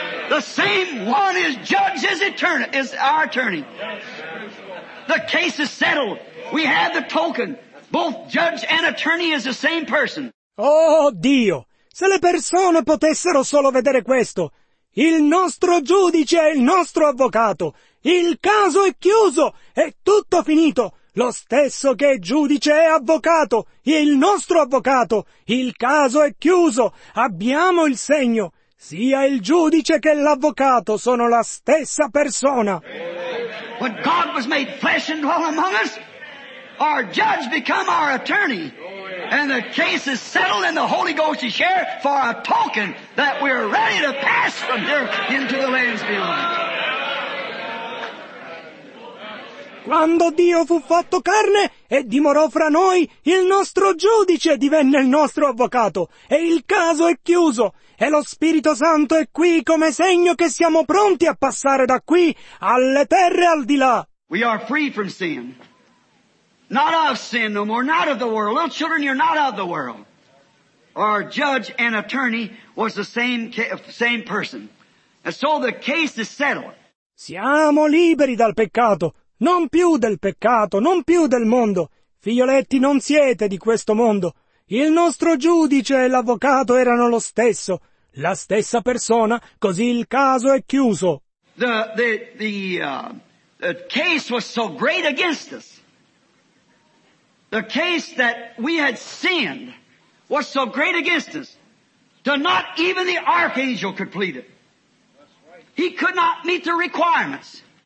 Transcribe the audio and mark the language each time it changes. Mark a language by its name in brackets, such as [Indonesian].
[English] The same one is judge is our attorney. The case is settled. We have the token. Both judge and attorney is the same person. [Italian] Oh Dio, se le persone potessero solo vedere questo. Il nostro giudice è il nostro avvocato. Il caso è chiuso. È tutto finito. Lo stesso che è giudice è avvocato, è il nostro avvocato. Il caso è chiuso, abbiamo il segno. Sia il giudice che l'avvocato sono la stessa persona. [English] When God was made flesh and dwelt among us, our judge became our attorney. And the case is settled and the Holy Ghost is here for a token that we're ready to pass from here into the lands beyond. [Italian] Quando Dio fu fatto carne e dimorò fra noi, il nostro giudice divenne il nostro avvocato, e il caso è chiuso, e lo Spirito Santo è qui come segno che siamo pronti a passare da qui alle terre al di là. [English] We are free from sin. Not of sin no more, not of the world. Little children, you're not of the world. Our judge and attorney was the same person. And so the case is settled. [Italian] Siamo liberi dal peccato. Non più del peccato, non più del mondo. Figlioletti, non siete di questo mondo. Il nostro giudice e l'avvocato erano lo stesso. La stessa persona, così il caso è chiuso. [English] The case was so great against us. The case that we had sinned was so great against us that not even the archangel could plead it. He could not meet the requirements.